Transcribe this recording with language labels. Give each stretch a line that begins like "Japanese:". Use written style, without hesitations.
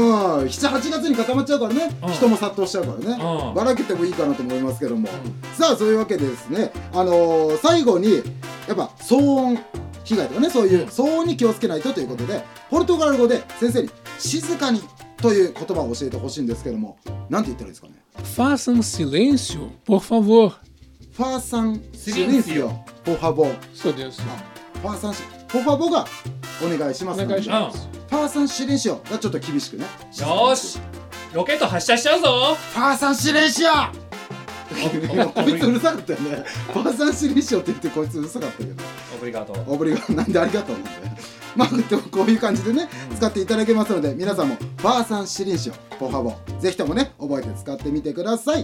Japanese: うん、7、8月に固まっちゃうからね、うん、人も殺到しちゃうからね、うん、ばらけてもいいかなと思いますけども、うん、さあそういうわけでですね、最後にやっぱ騒音被害とかね、そういう騒音に気をつけないとということで、ポルトガル語で先生に静かにという言葉を教えてほしいんですけども、なんて言ったらいいですかね。
Portuguese: Faça um silêncio, por favor. Faça um silêncio, por favor.
Japanese: そうです。
Portuguese: Faça um silêncio, por favor
Japanese: がお願いします。お願いします。
Portuguese: Faça um silêncio
Japanese: がちょっと厳しくね。よし、ロケット発射しちゃうぞ。
Portuguese: Faça um silêncio。
Japanese: こいつうるさかったよね。
Portuguese: Faça um silêncio
Japanese: って言ってこいつうるさかったけど。オブリガート、なんでありがとうなんで。まあでもこういう感じでね、うん、使っていただけますので、皆さんもバーサンシリンシオポハボぜひともね覚えて使ってみてください。